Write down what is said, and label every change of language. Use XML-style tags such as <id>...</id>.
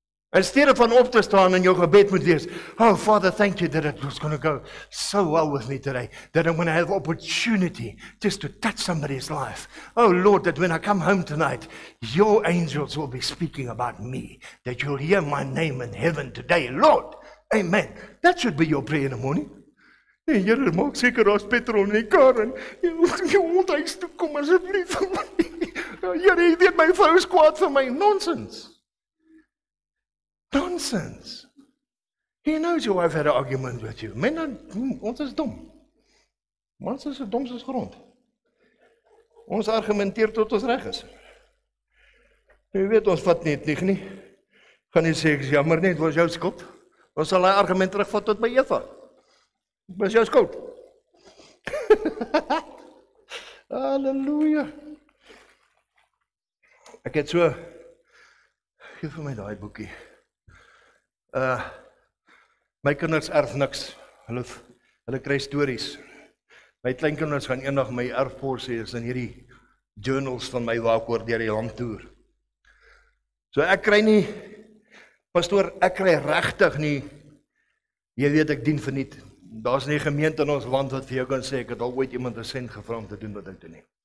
<af>In steede van op te staan in jou gebed moet wees,</af> <en>oh Father, thank you that it was going to go so well with me today, that I'm going to have opportunity just to touch somebody's life. Oh Lord, that when I come home tonight, your angels will be speaking about me, that you'll hear my name in heaven today. Lord, amen. That should be your prayer in the morning.</en> <af>En Here, maak seker daar's petrol in die kar en jy moet huis toe kom asseblief. Here, jy weet my vrou is kwaad vir my. Nonsense. Nonsense.</af> <en>He knows your wife had an argument with you.</en> <af>Men, ons is dom. Mans is die domste grond. Ons argumenteer tot ons reg is. Jy weet, ons vat nie het nie. Nie. Gaan nie sê, jammer nie, het was jou skuld. Ons sal die argument terugvat tot by Eva. Was jou skuld. Halleluja. Ek het so, geef vir my die boekie. My kinders erf niks. Hulle kry stories. My kleinkinders gaan eendag my erfporsie is in hierdie journals van my waar ek oor deur die land toer. So ek kry nie, pastoor, ek kry regtig nie, jy weet ek dien verniet. Daar is nie gemeente in ons land wat vir jou kan sê, ek het al ooit iemand een cent gevra om te doen wat ek doen nie.</af>